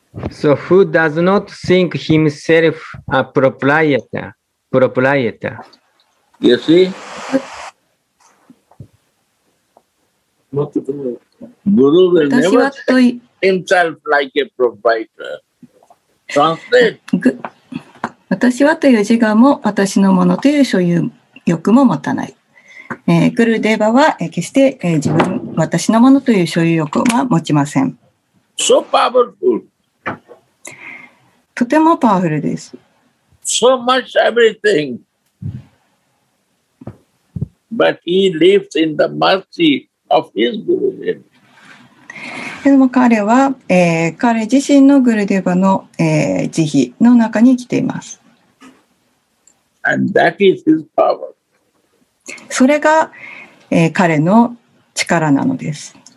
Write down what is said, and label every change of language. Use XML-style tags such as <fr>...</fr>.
<en>So who does not think himself a proprietor? Proprietor. You see? Guru will never think himself like a proprietor. Translate.</en> <ja>私はという自我も私のものという所有欲も持たない。グルデーバは決して自分、私のものという所有欲は持ちません。</ja> <en>So powerful.</en> <ja>とてもパワフルです。</ja> <en>So much everything. But he lives in the mercy of his Guru Deva.</en> <ja>でも彼は、彼自身のグルデバの、慈悲の中に生きています。</ja> <en>And that is his power.</en> <ja>それが、彼の力なのです。</ja>